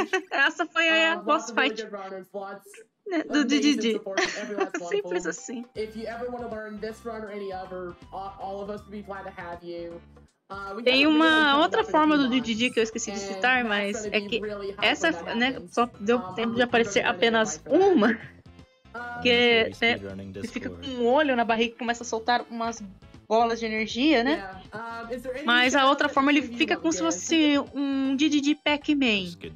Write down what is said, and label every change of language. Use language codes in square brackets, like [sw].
[pt] Essa foi aí a boss fight do Didi. Simples assim. [en] If you ever want to learn this run or any other, all of us would be glad to have you. [pt] Tem uma outra forma do Didi que eu esqueci de citar, mas é que essa, né, só deu tempo de aparecer apenas uma, que é, né, fica com um olho na barriga e começa a soltar umas bolas de energia, né? Mas a outra forma, ele fica como se fosse um Didi Pac-Man.